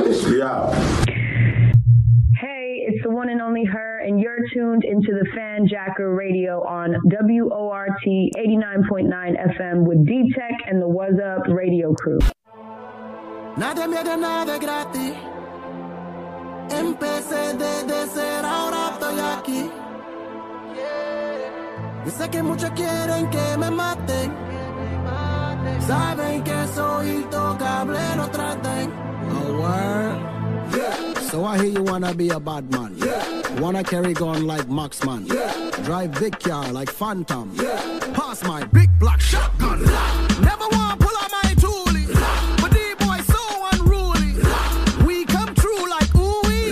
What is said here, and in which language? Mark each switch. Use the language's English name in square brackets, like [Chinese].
[English] Yeah. Hey, it's the one and only her, and you're tuned into the Fanjacker Radio on WORT 89.9 FM with D-Tech and the What's Up Radio crew. [Spanish] Nadie me da nada gratis. Empecé desde cero, ahora estoy aquí. Yeah. Y sé que muchos quieren que me maten. Saben que soy intocable, no traten. [English] A word. Yeah. So I hear you wanna be a bad man. Yeah. Wanna carry gun like Maxman. Yeah. Drive big car like Phantom. Yeah. Pass my big black shotgun. Never wanna pull out my toolie. But D-Boy so unruly. We come true like ooey.